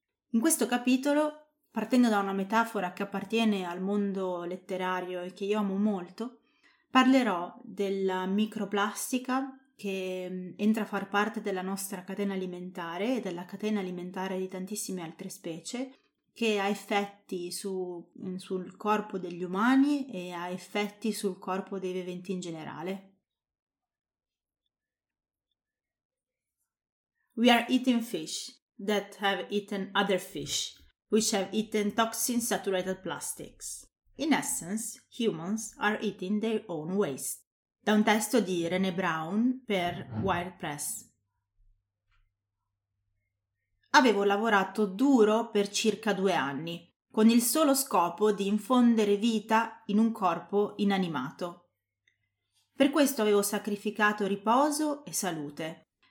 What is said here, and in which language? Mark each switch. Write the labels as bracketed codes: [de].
[it] In questo capitolo, partendo da una metafora che appartiene al mondo letterario e che io amo molto, parlerò della microplastica che entra a far parte della nostra catena alimentare e della catena alimentare di tantissime altre specie, che ha effetti sul corpo degli umani e ha effetti sul corpo dei viventi in generale. [en] We are eating fish that have eaten other fish, which have eaten toxin saturated plastics. In essence, humans are eating their own waste. [it] Da un testo di René Brown per Wired Press. Avevo lavorato duro per circa 2 anni, con il solo scopo di infondere vita in un corpo inanimato. Per questo avevo sacrificato riposo e salute.